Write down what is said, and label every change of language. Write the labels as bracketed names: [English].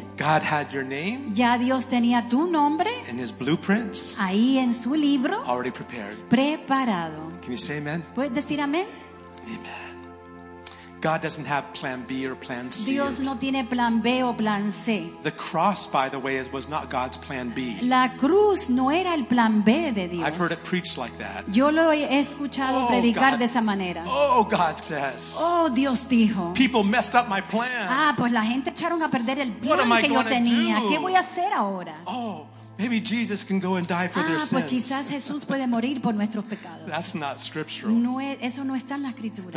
[English] God had your name. [Spanish] Ya Dios tenía tu nombre. [English] In His blueprints. [Spanish] Ahí en su libro. [English] Already prepared. [Spanish] Preparado. [English] Can you say amen? [Spanish] ¿Puedes decir amén? [English] Amen. God doesn't have plan B or plan C. [Spanish] Dios no tiene plan B o plan C. [English] The cross, by the way, was not God's plan B. [Spanish] La cruz no era el plan B de Dios. [English] I've heard it preached like that. [Spanish] Yo lo he escuchado predicar God, de esa manera. [English] Oh, God says. [Spanish] Oh, Dios dijo. [English] People messed up my plan. [Spanish] Ah, pues la gente echaron a perder el plan que yo tenía. ¿Qué voy a hacer ahora? [English] Oh, maybe Jesus can go and die for their sins. [Spanish] Pues quizás Jesús puede morir por nuestros pecados. [English] That's not scriptural. [Spanish] No es, eso no está en la escritura.